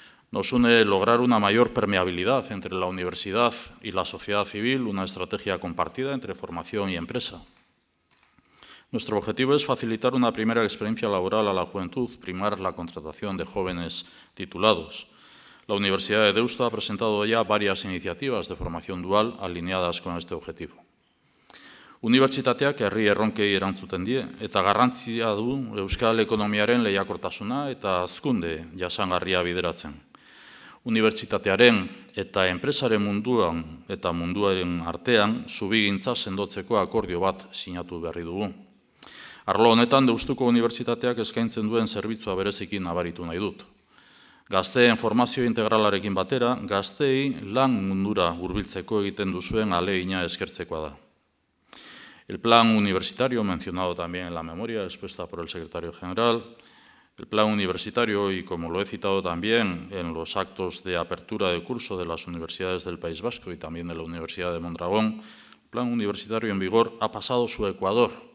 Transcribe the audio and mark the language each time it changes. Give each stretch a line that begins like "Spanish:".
Spanish: Nos une lograr una mayor permeabilidad entre la universidad y la sociedad civil, una estrategia compartida entre formación y empresa. Nuestro objetivo es facilitar una primera experiencia laboral a la juventud, primar la contratación de jóvenes titulados. La Universidad de Deusto ha presentado ya varias iniciativas de formación dual alineadas con este objetivo.
Basque: Unibertsitateak herri erronkei erantzuten die, eta garrantzia du euskal ekonomiaren lehiakortasuna eta hazkunde jasangarria bideratzen. Unibertsitatearen eta enpresaren munduan eta munduaren artean zubigintza sendotzeko akordio bat sinatu berri dugu. Arlo honetan Deustuko Unibertsitateak eskaintzen duen zerbitzua berezekin nabaritu nahi dut. Gazteen formazio integralarekin batera, gaztei lan mundura hurbiltzeko egiten duzuen alegina eskertzekoa da.
Spanish: El plan universitario, mencionado también en la memoria expuesta por el secretario general, el plan universitario, y como lo he citado también en los actos de apertura de curso de las universidades del País Vasco y también de la Universidad de Mondragón, el plan universitario en vigor ha pasado su ecuador.